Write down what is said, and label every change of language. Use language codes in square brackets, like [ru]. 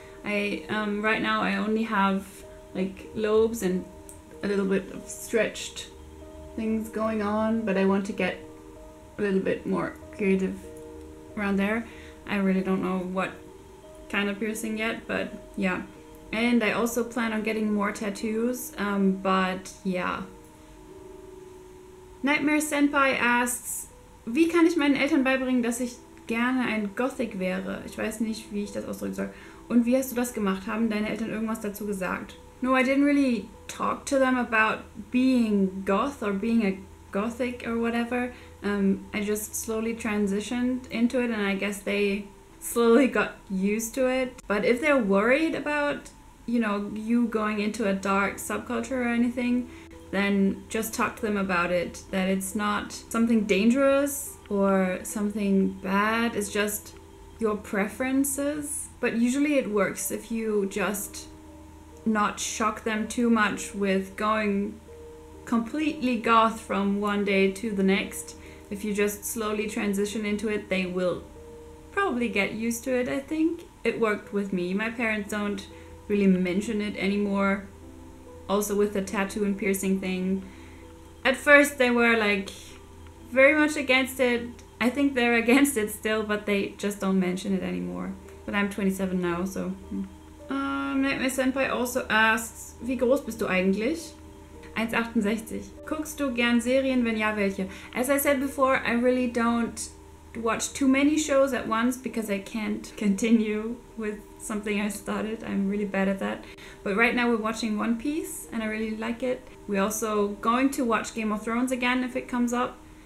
[en] Right now I only have like lobes and a little bit of stretched things going on, but I want to get a little bit more creative around there. I really don't know what kind of piercing yet, but yeah. And I also plan on getting more tattoos, but yeah. [de] Nightmare Senpai asks, wie kann ich meinen Eltern beibringen, dass ich gerne ein Gothic wäre? Ich weiß nicht, wie ich das ausdrücken soll. Und wie hast du das gemacht? Haben deine Eltern irgendwas dazu gesagt? [en] No, I didn't really talk to them about being goth or being a gothic or whatever. I just slowly transitioned into it, and I guess they slowly got used to it. But if they're worried about, you know, you going into a dark subculture or anything, then just talk to them about it, that it's not something dangerous or something bad, it's just your preferences. But usually it works if you just not shock them too much with going completely goth from one day to the next. If you just slowly transition into it, they will probably get used to it, I think. It worked with me. My parents don't really mention it anymore. Also with the tattoo and piercing thing. At first they were like very much against it. I think they're against it still, but they just don't mention it anymore. But I'm 27 now, so... My senpai also asks, [de] wie groß bist du eigentlich? 1,68. Guckst du gern Serien? Wenn ja, welche? [en] As I said before, I really don't watch too many shows at once because I can't continue with something I started. I'm really bad at that. But right now we're watching One Piece and I really like it. We're also going to watch Game of Thrones again if it comes up.